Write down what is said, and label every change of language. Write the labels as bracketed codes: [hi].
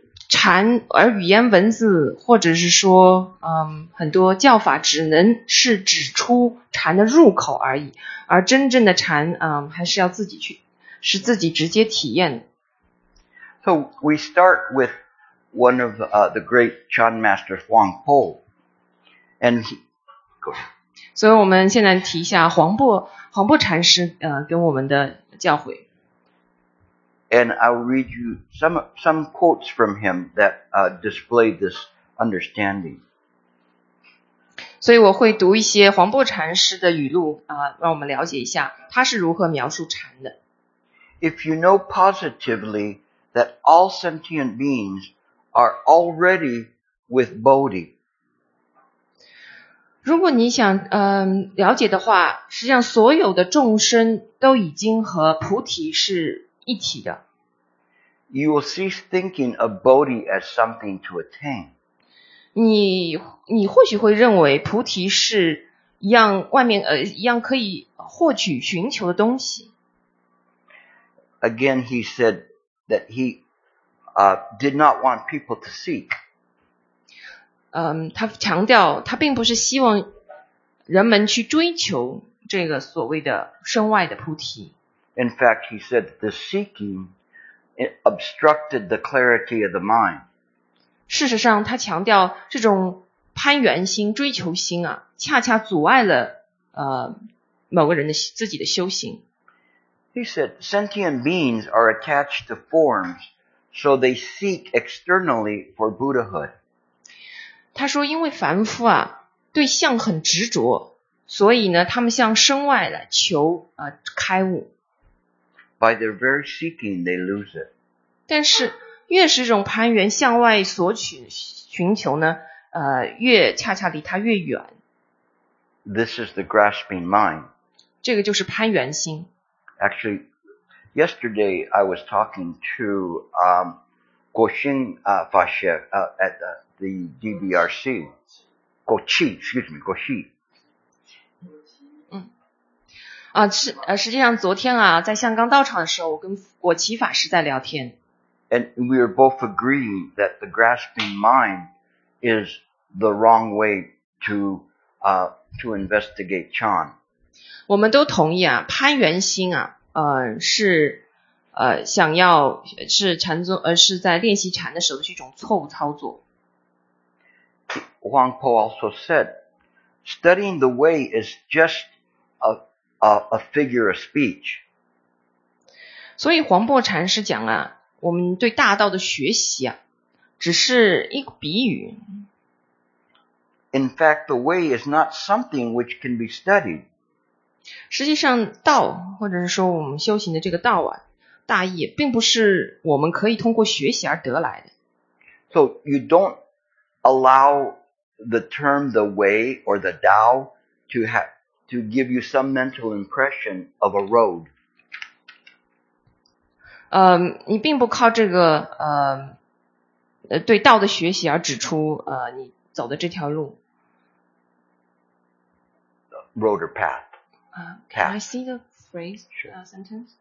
[zh] 禅而语言文字或者是说很多教法只能是指出禅的入口而已，而真正的禅还是要自己去，是自己直接体验的。 [en] So we start with one of the great Chan master Huang Po. And he goes. [zh] 所以我们现在提一下黄檗禅师给我们的教诲。 [en] And I'll read you some quotes from him that display this understanding. [zh] 所以我会读一些黄檗禅师的语录啊，让我们了解一下他是如何描述禅的。 [en] If you know positively that all sentient beings are already with Bodhi, [zh] 如果你想了解的话，实际上所有的众生都已经和菩提是一体的。 [en] You will cease thinking of Bodhi as something to attain. [zh] 你或许会认为菩提是一样外面一样可以获取寻求的东西。 [en] Again, he said that he did not want people to seek. [zh] 他强调他并不是希望人们去追求这个所谓的身外的菩提。 [en] In fact, he said the seeking obstructed the clarity of the mind. [zh] 事实上，他强调这种攀缘心、追求心啊，恰恰阻碍了某个人的自己的修行。 [en] He said, sentient beings are attached to forms, so they seek externally for Buddhahood. [zh] 他说因为凡夫啊，对相很执着，所以呢，他们向身外来求开悟。 [en] By their very seeking, they lose it. [zh] 但是越是这种攀缘向外索取寻求呢，越恰恰离他越远。 [en] This is the grasping mind. [zh] 这个就是攀缘心。 [en] Actually, yesterday I was talking to Guo Xing Fa She at the DBRC. Guo Qi, excuse me, Guo Xi. [zh] 实际上昨天啊，在香港道场的时候，我跟果奇法师在聊天。 [en] And we are both agreeing that the grasping mind is the wrong way to investigate Chan. [zh] 我们都同意啊，攀缘心啊。是想要是禅宗是在练习禅的时候的一种错误操作。 [en] Huang Po also said, studying the way is just a figure of speech. [zh] 所以黄檗禅师讲啊，我们对大道的学习啊，只是一个比喻。 [en] In fact, the way is not something which can be studied. [zh] 实际上道或者是说我们修行的这个道啊，大意并不是我们可以通过学习而得来的。 [en] So you don't allow the term the way or the Tao to give you some mental impression of a road. [zh] 你并不靠这个对道的学习而指出你走的这条路。 [en] Road or path. Can I see the phrase, sentence?